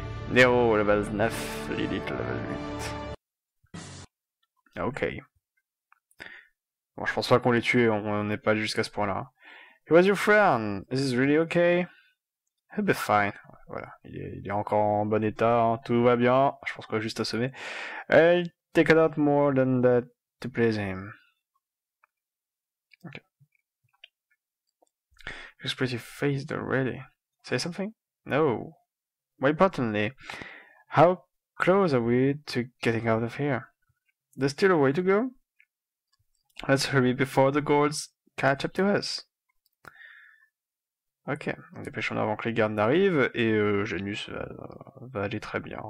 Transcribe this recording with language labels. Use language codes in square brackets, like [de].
[en] Nero level 9, Lilith level 8. Ok. [fr] Bon, je pense pas qu'on l'ait tué, on n'est pas jusqu'à ce point-là. [en] He was your friend. Is this really okay? He'll be fine. [fr] Voilà, il est encore en bon état, hein. Tout va bien. Je pense qu'on va juste assommer. [en] I'll take a lot more than that to please him. Ok. Just pretty faced already. Say something? No. More importantly, how close are we to getting out of here? There's still a way to go. Let's hurry before the guards catch up to us. [fr] Ok, on dépêche en avant que les gardes n'arrivent et Janus va aller très bien.